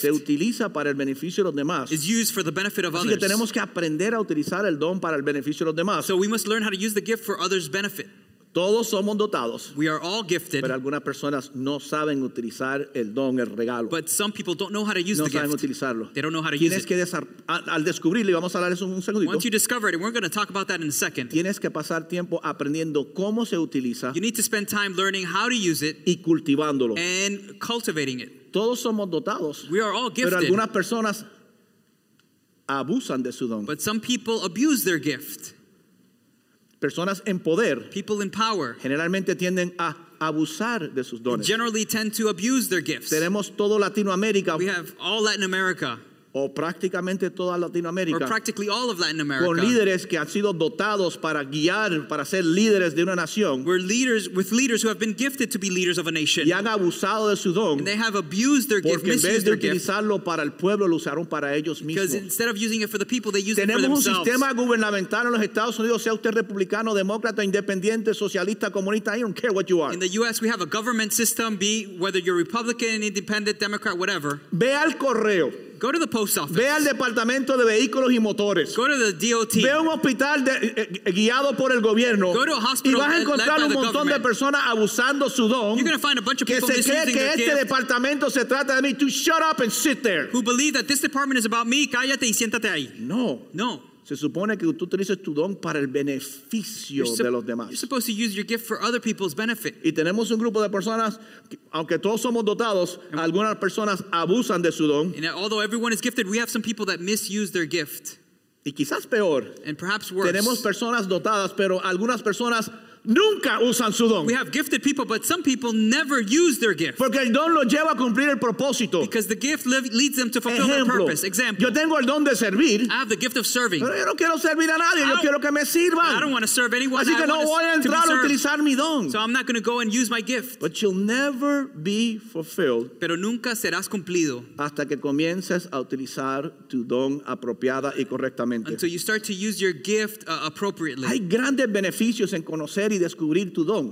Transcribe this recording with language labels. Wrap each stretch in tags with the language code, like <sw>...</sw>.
<es>se utiliza para el beneficio de los demás.</es> <en>Is used for the benefit of</en> <es>así</es> <en>others.</en> <es>Que tenemos que aprender a utilizar el don para el beneficio de los demás.</es> <en>So we must learn how to use the gift for others' benefit.</en> <es>Todos somos dotados.</es> <en>We are all gifted.</en> <es>Pero algunas personas no saben utilizar el don, el regalo.</es> <en>But some people don't know how to use</en> <es>no</es> <en>the gift.</en> <es>No saben utilizarlo.</es> <en>They don't know how to</en> <es>tienes</es> <en>use it.</en> <es>Que al descubrirlo, y vamos a hablar eso en un segundito.</es> <en>Once you discover it, and we're going to talk about that in a second.</en> <es>Tienes que pasar tiempo aprendiendo cómo se utiliza.</es> <en>You need to spend time learning how to use it.</en> <es>Y cultivándolo.</es> <en>And cultivating it.</en> <es>Todos somos dotados.</es> <en>We are all gifted.</en> <es>Pero algunas personas abusan de su don.</es> <en>But some people abuse their gift.</en> <es>Personas en poder,</es> <en>people in power,</en> <es>generalmente tienden a abusar de sus dones.</es> <en>Generally tend to abuse their gifts.</en> <es>Tenemos todo Latinoamérica.</es> <en>We have all Latin America.</en> <es>O prácticamente toda Latinoamérica.</es> <en>Or practically all of Latin America.</en> <es>Con líderes que han sido dotados para guiar, para ser líderes de una nación.</es> <en>We're leaders with leaders who have been gifted to be leaders of a nation.</en> <es>Y han abusado de su don.</es> <en>And they have abused their gift, misused their gift.</en> <es>Porque en vez de utilizarlo para el pueblo, lo usaron para ellos mismos.</es> <en>Because instead of using it for the people, they use it for themselves.</en> <es>Tenemos un sistema gubernamental en los Estados Unidos, sea usted republicano, demócrata, independiente, socialista, comunista,</es> <en>I don't care what you are. In the U.S., we have a government system, be whether you're Republican, independent, Democrat, whatever.</en> <es>Ve al correo.</es> <en>Go to the post office.</en> <es>Ve al departamento de vehículos y motores.</es> <en>Go to the DOT.</en> <es>Ve un hospital guiado por el gobierno.</es> <en>Go to a hospital</en> <es>y vas a encontrar un montón de personas abusando su don.</es> <en>You're going to find a bunch of people misusing their gift.</en> <es>Que se cree que este departamento se trata de mí.</es> <en>To shut up and sit there. Who believe that this department is about me.</en> <es>Cállate y siéntate ahí. No.</es> <en>No.</en> <es>Se supone que tú utilices tu don para el beneficio de los demás.</es> <en>You're supposed to use your gift for other people's benefit.</en> <es>Y tenemos un grupo de personas, aunque todos somos dotados, algunas personas abusan de su don.</es> <en>And although everyone is gifted, we have some people that misuse their gift.</en> <es>Y quizás peor.</es> <en>And perhaps worse.</en> <es>Tenemos personas dotadas, pero algunas personas nunca usan su don.</es> <en>We have gifted people, but some people never use their gift.</en> <es>Porque el don lo lleva a cumplir el propósito.</es> <en>Because the gift leads them to fulfill</en> <es>ejemplo,</es> <en>their purpose. Example.</en> <es>Yo tengo el don de servir.</es> <en>I have the gift of serving.</en> <es>Pero yo no quiero servir a nadie. Yo quiero que me sirvan.</es> <en>I don't want to serve anyone.</en> <es>Así que</es> <en>I</en> <es>no</es> <en>want</en> <es>voy a entrar a utilizar mi don.</es> <en>So I'm not going to go and use my gift. But you'll never be fulfilled.</en> <es>Pero nunca serás cumplido. Hasta que comiences a utilizar tu don apropiada y correctamente.</es> <en>Until you start to use your gift appropriately.</en> <es>Hay grandes beneficios en conocer y descubrir tu don.</es>